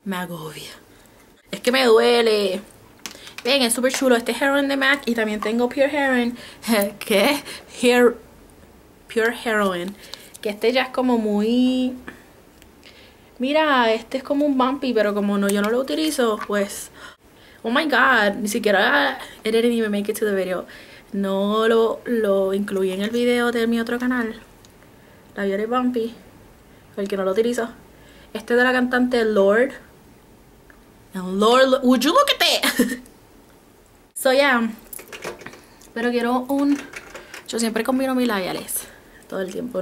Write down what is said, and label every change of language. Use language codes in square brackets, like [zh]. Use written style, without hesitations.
[es] Me agobia. Es que me duele. Ven, es súper chulo. Este es heroin de MAC. Y también tengo Pure Heroin. ¿Qué? Pure Heroin. Que este ya es como muy... Mira, este es como un bumpy. Pero como no, yo no lo utilizo, pues... [en] Oh my God. [es] Ni siquiera [en] it didn't even make it to the video. [es] No lo incluí en el video de mi otro canal. La Viore Bumpy. el que no lo utiliza. Este es de la cantante Lord. [en] Now, Lord, would you look at that? So yeah. [es] Pero quiero un... Yo siempre combino mis labiales. Todo el tiempo.